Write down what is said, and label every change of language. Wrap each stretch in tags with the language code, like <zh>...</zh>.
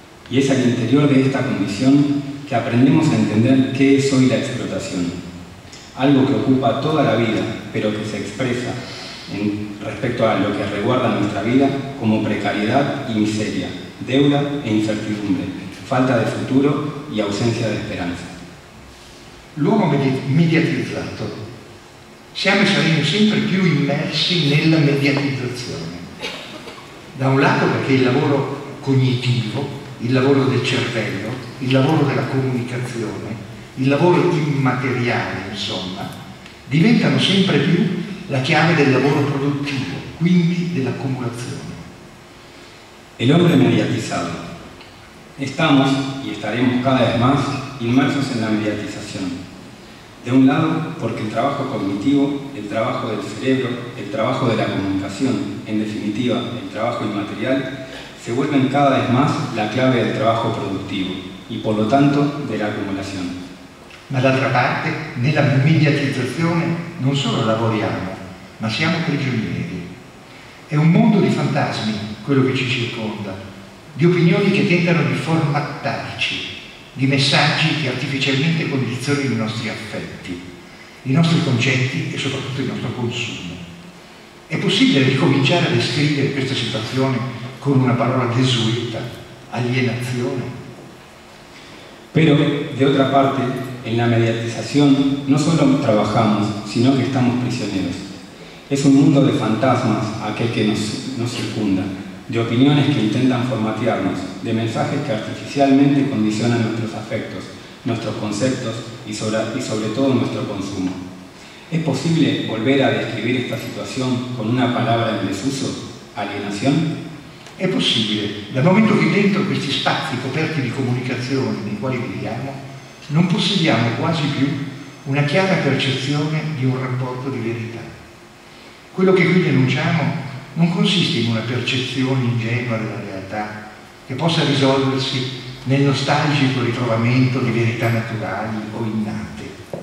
<es>Y es al interior de esta condición que aprendemos a entender qué es hoy la explotación. Algo que ocupa toda la vida, pero que se expresa en respecto a lo que resguarda nuestra vida como precariedad y miseria, deuda e incertidumbre, falta de futuro y ausencia de esperanza.</es> <it>L'uomo mediatizzato. Siamo e saremo sempre più immersi nella mediatizzazione. Da un lato perché il lavoro cognitivo, il lavoro del cervello, il lavoro della comunicazione, il lavoro immateriale, insomma, diventano sempre più la chiave del lavoro produttivo, quindi dell'accumulazione.</it> <es>El hombre mediatizado. Estamos y estaremos cada vez más inmersos en la mediatización. De un lado, porque el trabajo cognitivo, el trabajo del cerebro, el trabajo de la comunicación, en definitiva, el trabajo inmaterial, se vuelven cada vez más la clave del trabajo productivo y, por lo tanto, de la acumulación.</es> <it>Ma d'altra parte, nella mediatizzazione non solo lavoriamo, ma siamo prigionieri. È un mondo di fantasmi quello che ci circonda, di opinioni che tentano di formattarci, di messaggi che artificialmente condizionano i nostri affetti, i nostri concetti e soprattutto il nostro consumo. È possibile ricominciare a descrivere questa situazione con una parola desueta, alienazione?</it> <es>Però, de otra parte, en la mediatización no solo trabajamos, sino que estamos prisioneros. Es un mundo de fantasmas aquel que nos circunda, de opiniones que intentan formatearnos, de mensajes que artificialmente condicionan nuestros afectos, nuestros conceptos y sobre todo nuestro consumo. ¿Es posible volver a describir esta situación con una palabra en desuso, alienación? Es posible.</es> <it>Dal momento que dentro questi spazi coperti di comunicazione nei quali viviamo, non possediamo quasi più una chiara percezione di un rapporto di verità. Quello che qui denunciamo non consiste in una percezione ingenua della realtà che possa risolversi nel nostalgico ritrovamento di verità naturali o innate.</it>